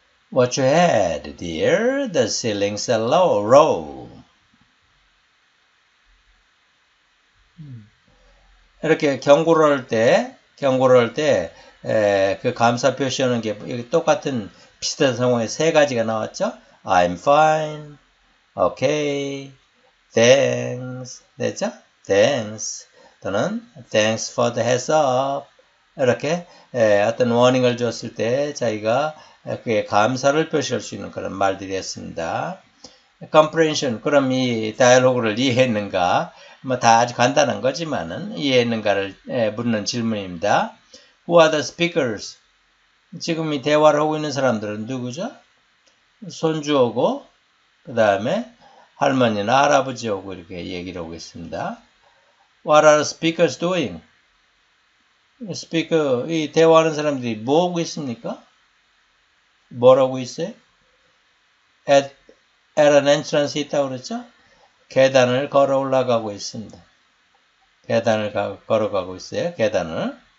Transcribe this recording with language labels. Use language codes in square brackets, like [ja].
[en] Watch your head, dear. The ceiling's a low row. [ko] 이렇게 경고를 할 때, 예, 그 감사 표시하는 게 여기 똑같은 비슷한 상황에 세 가지가 나왔죠? [en] I'm fine, okay, thanks, [ko] 됐죠? Thanks 또는 [en] thanks for the heads up [ko] 이렇게 어떤 워닝을 줬을 때 자기가 그에 감사를 표시할 수 있는 그런 말들이었습니다. comprehension, 그럼 이 대화를 이해했는가? 뭐다 아주 간단한 거지만은 이해했는가를 묻는 질문입니다. [en] Who are the speakers? [ko] 지금 이 대화를 하고 있는 사람들은 누구죠? 손주하고 그 다음에 할머니나 할아버지하고 이렇게 얘기를 하고 있습니다. [en] What are speakers doing? [ko] 스피커, 이 대화하는 사람들이 뭐 하고 있습니까? 뭘 하고 있어요? [en] At an entrance [ko] 있다고 그랬죠? 계단을 걸어 올라가고 있습니다. 계단을 걸어가고 있어요. 계단을.